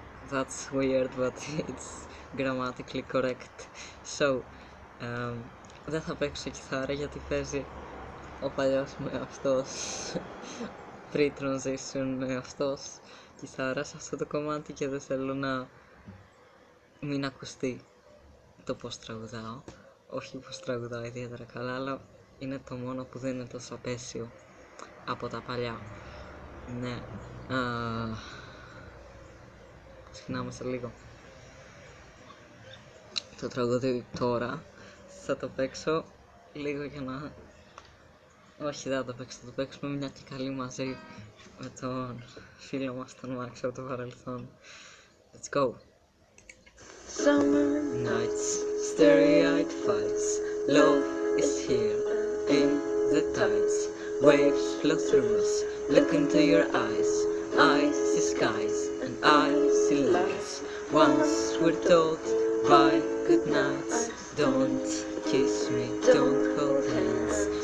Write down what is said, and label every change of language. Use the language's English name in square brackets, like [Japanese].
[English] That's weird, but it's grammatically correct. [Greek] So, δεν θα παίξω κιθάρα γιατί παίζει ο παλιός με αυτός pre-transition με αυτός κιθάρα σε αυτό το κομμάτι και δεν θέλω να μην ακουστεί το πως τραγουδάω. Όχι πως τραγουδάω ιδιαίτερα καλά, αλλά είναι το μόνο που δεν είναι τόσο απέσιο από τα παλιά. Ναι, ξεκινάμε σε λίγο. Το τραγουδί τώρα θα το παίξω λίγο για να... Όχι, δεν θα το παίξουμε μια και καλή μαζί με τον φίλο μας τον Μαξ από το παρελθόν. [English] Let's go! Summer nights, starry-eyed fights, love is here in the tides. Waves flow through us, look into your eyes. I see skies and I see lights. Once we're told by good nights, don't kiss me, don't hold hands.